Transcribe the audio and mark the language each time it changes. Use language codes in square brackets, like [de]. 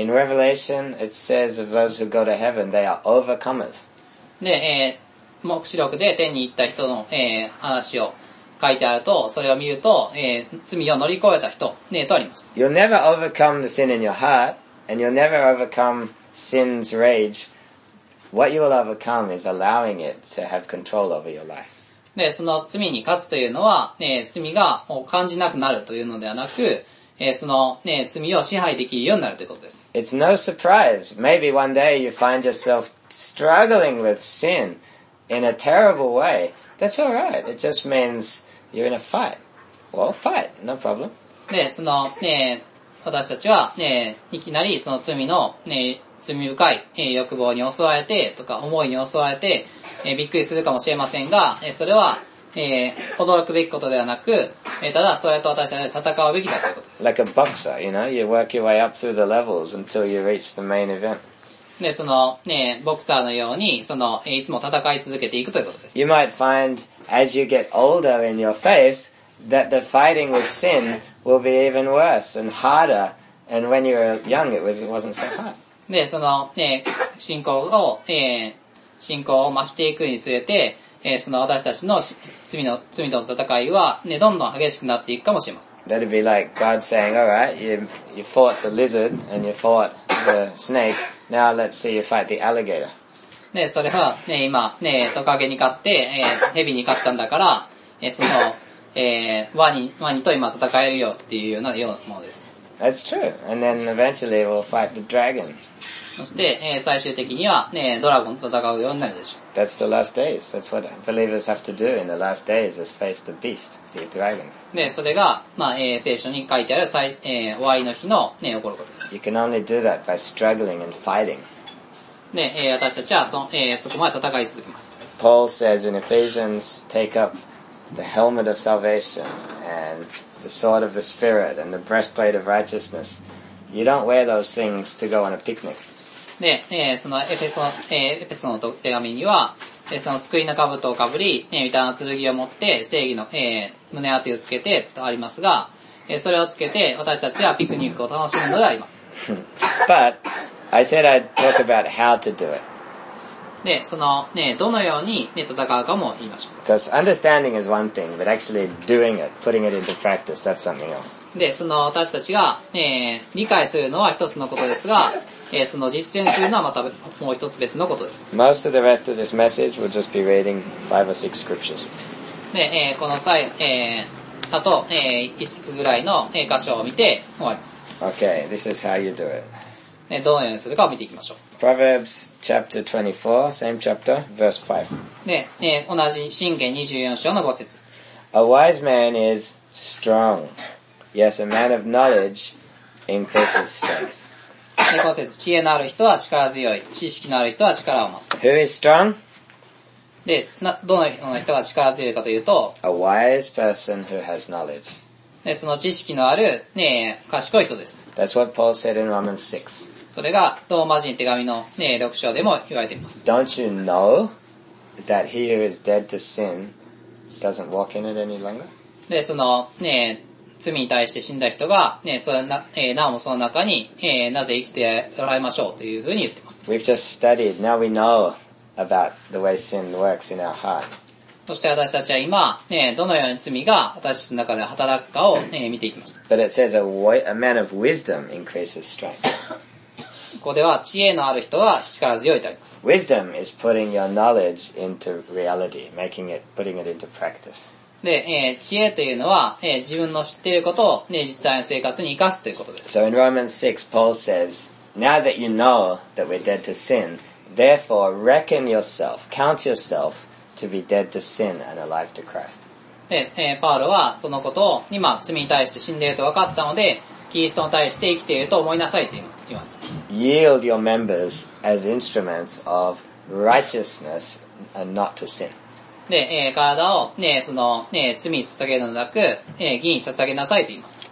[en] In Revelation, it says of those who go to heaven, they are overcomers. [ja] で、黙示録で天に行った人の、話を書いてあると、それを見ると、罪を乗り越えた人、ね、とあります。 [en] You'll never overcome the sin in your heart, and you'll never overcome sin's rage. What you will overcome is allowing it to have control over your life. [ja] で、その罪に勝つというのは、罪が感じなくなるというのではなく、その、ね、罪を支配できるようになるということです。 [en] It's no surprise. Maybe one day you find yourself struggling with sin in a terrible way. That's all right. It just means you're in a fight. Well, fight, no problem. [ja] で、その、ね、私たちは、ね、いきなりその罪の、ね、罪深い、欲望に襲われてとか思いに襲われて、びっくりするかもしれませんが、それは、驚くべきことではなく、ただそれと私たちは戦うべきだということです。 [en] Like a boxer, you know, you work your way up through the levels until you reach the main event. [ja] でそのね、ボクサーのようにそのいつも戦い続けていくということです。 [en] You might find as you get older in your faith that the fighting with sin will be even worse and harder and when you were young it wasn't so hard. [ja] でその、ね、信仰を増していくにつれて、その私たちの罪との戦いは、ね、どんどん激しくなっていくかもしれません。 [en] That'd be like God saying, all right, you fought the lizard and you fought the snake. Now let's see you fight the alligator. [ja] ね、それはね、今ね、トカゲに勝って、ヘビに勝ったんだから、その、ワニと今戦えるよっていうようなようなものです。 [en] That's true. And then eventually we'll fight the dragon. [ja] そして、最終的にはね、ドラゴンと戦うようになるでしょう。 [en] That's the last days. That's what believers have to do in the last days is face the beast, the dragon. [ja] ね、それが、まあ聖書に書いてある最、終わりの日のね、起こることです。 [en] You can only do that by struggling and fighting. [ja] ね、私たちはそこまで戦い続けます。 [en] Paul says in Ephesians, take up the helmet of salvation and the sword of the spirit and the breastplate of righteousness. You don't wear those things to go on a picnic. [ja] で、そのエペソの手紙には、その救いの兜をかぶり、御霊の剣を持って、正義の、胸当てをつけてとありますが、それをつけて、私たちはピクニックを楽しむのであります。 [en] But, I said I'd talk about how to do it. [ja] で、その、ね、どのように、ね、戦うかも言いましょう。 [en] Because understanding is one thing, but actually doing it, putting it into practice, that's something else. [ja] で、その私たちが、理解するのは一つのことですが、その実践するのはまたもう一つ別のことです。 [en] Most of the rest of this message will just be reading five or six scriptures. [ja] で、この際、あと、5つぐらいの、箇所を見て終わります。 [en] Okay, this is how you do it. [ja] で、どのようにするかを見ていきましょう。 [en] Proverbs chapter 24, same chapter, verse 5. [ja] 同じ箴言24章の5節。 [en] A wise man is strong. Yes, a man of knowledge increases strength. [ja] 5節、知恵のある人は力強い。知識のある人は力を増す。 [en] Who is strong? [ja] で、どのような人が力強いかというと、 [en] A wise person who has knowledge. [ja] で、その知識のある、ね、賢い人です。 [en] That's what Paul said in Romans 6. [ja] それがローマ人手紙の、ね、6章でも言われています。 [en] Don't you know that he who is dead to sin doesn't walk in it any longer? [ja] で、その、ね、罪に対して死んだ人が、ね、なおもその中に、なぜ生きておられましょうというふうに言っています。 [en] We've just studied, now we know about the way sin works in our heart. [ja] そして私たちは今、ね、どのように罪が私たちの中で働くかを、ね、見ていきました。 [en] But it says a man of wisdom increases strength. [ja] ここでは知恵のある人は力強いとあります。 [en] Wisdom is putting your knowledge into reality, making it, putting it into practice. [ja] で、知恵というのは、自分の知っていることを、ね、実際の生活に生かすということです。 [en] So in Romans 6, Paul says, Now that you know that we're dead to sin, therefore reckon yourself, count yourself to be dead to sin and alive to Christ. [ja] で、パウロはそのことを今罪に対して死んでいると分かったので、キリストに対して生きていると思いなさいと言いました。 [en] Yield your members as instruments of righteousness and not to sin. [ja] で、体を、ね、その、ね、罪に捧げるのではなく、義に捧げなさいと言います。